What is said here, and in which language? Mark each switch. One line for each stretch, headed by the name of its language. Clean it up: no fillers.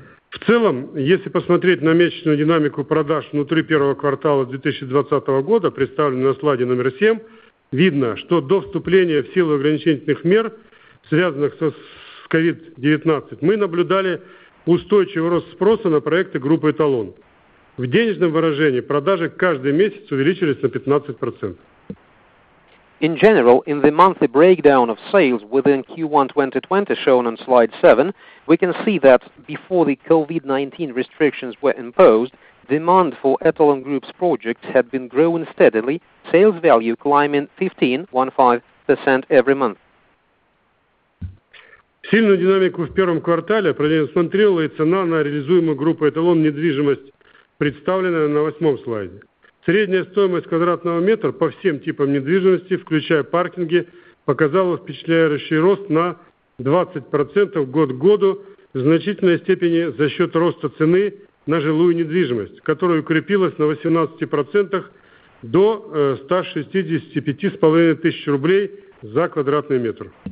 Russian: В целом, если посмотреть на месячную динамику продаж внутри первого квартала 2020 года, представленную на слайде номер 7, видно, что до вступления в силу ограничительных мер, связанных с COVID-19, мы наблюдали устойчивый рост спроса на проекты группы «Эталон». В денежном выражении продажи каждый месяц увеличились на 15%.
English: In general, in the monthly breakdown of sales within Q1 2020 shown on slide 7, we can see that before the COVID-19 restrictions were imposed, demand for Etalon Group's projects had been growing steadily, sales value climbing 15% every month.
Russian: Сильную динамику в первом квартале продемонстрировала и цена на реализуемую группу Etalon недвижимость, представленная на восьмом слайде. Средняя стоимость квадратного метра по всем типам недвижимости, включая паркинги, показала впечатляющий рост на 20% год к году в значительной степени за счет роста цены на жилую недвижимость, которая укрепилась на 18% до 165,5 тысяч рублей за квадратный метр.